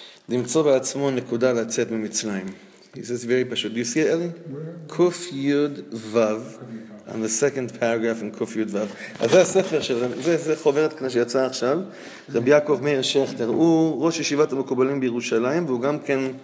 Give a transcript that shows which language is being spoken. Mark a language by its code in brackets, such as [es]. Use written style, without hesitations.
[he] למצוא בעצמו נקודה לצאת ממצרים. [en] This is very פשוט. Do you see it, Eli? Kuf Yud Vav. On the second paragraph in Kuf Yud Vav. [he] אז זה הספר של... זה חוברת כנה שיצאה עכשיו. רב יעקב מאיר שכטר. הוא ראש ישיבת המקובלים בירושלים, והוא גם כן...